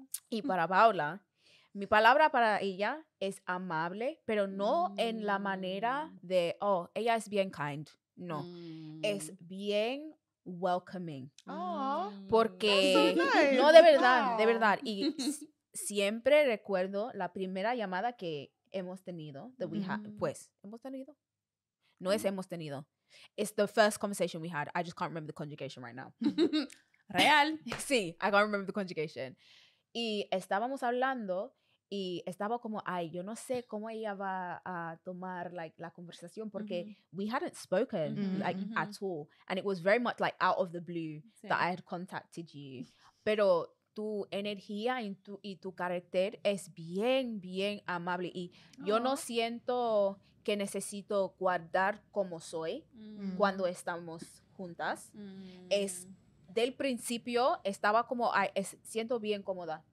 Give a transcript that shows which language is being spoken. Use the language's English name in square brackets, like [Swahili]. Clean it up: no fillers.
[Spanish] Y para Paula, mi palabra para ella es amable, pero no en la manera de, oh, ella es bien kind. No, es bien welcoming. Aww. Porque, [English] so nice. [Spanish] No, de verdad, wow. de verdad. Y siempre recuerdo la primera llamada que hemos tenido. [English] That we [Spanish] pues, ¿hemos tenido? No es hemos tenido. [English] It's the first conversation we had. I just can't remember the conjugation right now. Real. [Spanish] Sí, [English] I can't remember the conjugation. [Spanish] Y estábamos hablando y estaba como, ay, yo no sé cómo ella va a tomar, [English] like, [Spanish] la conversación, porque [English] we hadn't spoken, like, at all. And it was very much, like, out of the blue [Spanish] sí. [English] that I had contacted you. [Spanish] Pero tu energía y tu carácter es bien, bien amable. Y yo no siento que necesito guardar como soy cuando estamos juntas. Es... Del principio estaba como, ay, siento bien cómoda.